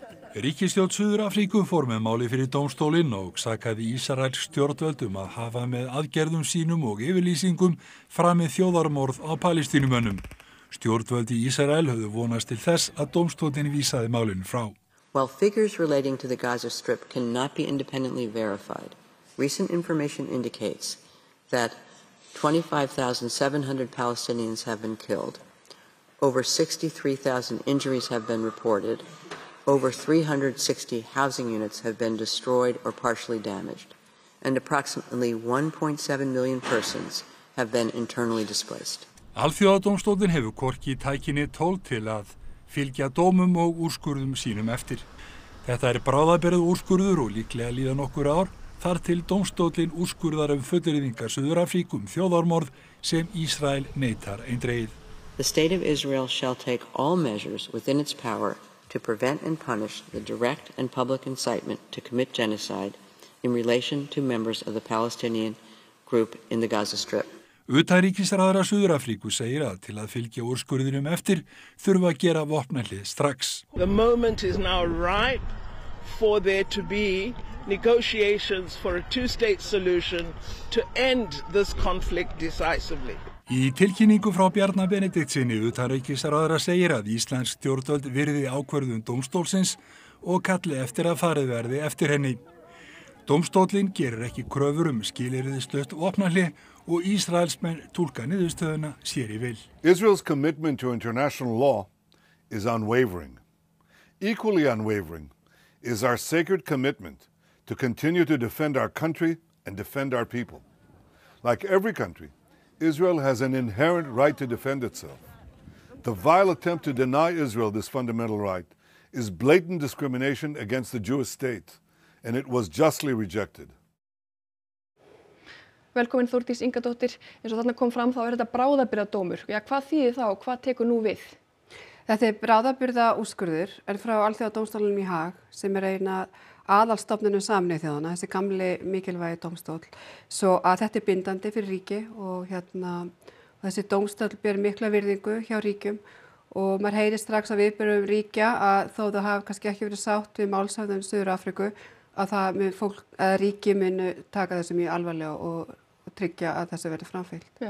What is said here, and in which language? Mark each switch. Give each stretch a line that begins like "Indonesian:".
Icelandic: Ríkisstjórn Suður-Afríku fór með máli fyrir dómstólinn og sakaði ísraelsk stjórnvöld að hafa með aðgerðum sínum og yfirlýsingum framið þjóðarmorð á palestínumönnum. Stjórnvöld í Ísrael höfðu vonast til þess að dómstóllinn vísaði málin frá.
English: While figures relating to the Gaza Strip cannot be independently verified, recent information indicates that 25,700 Palestinians have been killed, over 63,000 injuries have been reported, Over 360 housing units have been destroyed or partially damaged, and approximately 1.7 million persons have been internally displaced.
Icelandic: Alþjóðadómstóllinn hefur hvorki tæki né tól til að fylgja dómum og úrskurðum sínum eftir. Þetta er bráðabirgða úrskurður og líklega líða nokkur ár þar til dómstóllinn úrskurðar fullyrðingar Suður-Afríku þjóðarmorð sem Ísrael neitar eindregið.
English: The state of Israel shall take all measures within its power to prevent and punish the direct and public incitement to commit genocide in relation to members of the Palestinian group in the Gaza Strip.
Icelandic: Utanríkisráðherra Suður-Afríku segir að til að fylgja úrskurðinum eftir þurfa að gera vopnahlé strax.
English: The moment is now ripe for there to be negotiations for a two-state solution to end this conflict decisively.
Icelandic: Í tilkynningu frá Bjarna Benediktssyni utanríkisráðherra segir að íslensk stjórnvöld virði ákvörðun dómstólsins og kalli eftir að farið verði eftir henni. Dómstóllinn gerir ekki kröfur skilyrðislaust vopnahlé og Ísraelsmenn túlka niðurstöðuna sér í vil.
English: Israel's commitment to international law is unwavering. Equally unwavering is our sacred commitment to continue to defend our country and defend our people. Like every country, Israel has an inherent right to defend itself. The vile attempt to deny Israel this fundamental right is blatant discrimination against the Jewish state, and it was justly rejected.
Icelandic: Velkomin Þórdís Ingadóttir. Eins og þarna kom fram þá þetta bráðabirgðadómur. Já, hvað þýðir það og hvað tekur nú við? Þetta bráðabirgðaúrskurður frá Alþjóðadómstólnum í Haag sem eina aðalstofnunum saminu þjóðana, þessi gamli mikilvægi dómstóll, svo að þetta bindandi fyrir ríki og þessi dómstóll ber mikla virðingu hjá ríkjum og maður heyrir strax að við berum ríkja að þó þau hafa kannski ekki verið sátt við málshöfðum Suður-Afríku að það mun fólk, að ríki munu taka þessu mjög alvarlega og tryggja að þessu verði framfylgt.